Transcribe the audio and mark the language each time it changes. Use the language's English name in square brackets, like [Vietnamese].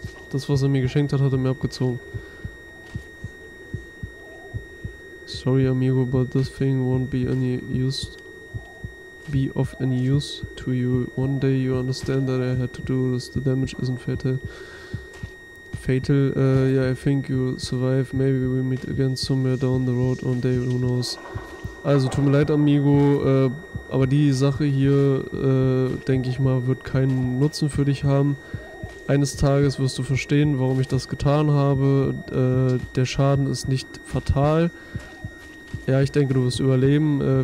[German] Das, was er mir geschenkt hat, hat er mir abgezogen. [English] Sorry, amigo, but this thing won't be any use be of any use to you. One day you understand that I had to do this. The damage isn't fatal. Fatal, yeah, I think you'll survive. Maybe we meet again somewhere down the road one day, who knows. [German] Also, tut mir leid, Amigo, aber die Sache hier, denke ich mal, wird keinen Nutzen für dich haben. Eines Tages wirst du verstehen, warum ich das getan habe. Der Schaden ist nicht fatal. Ja, ich denke, du wirst überleben.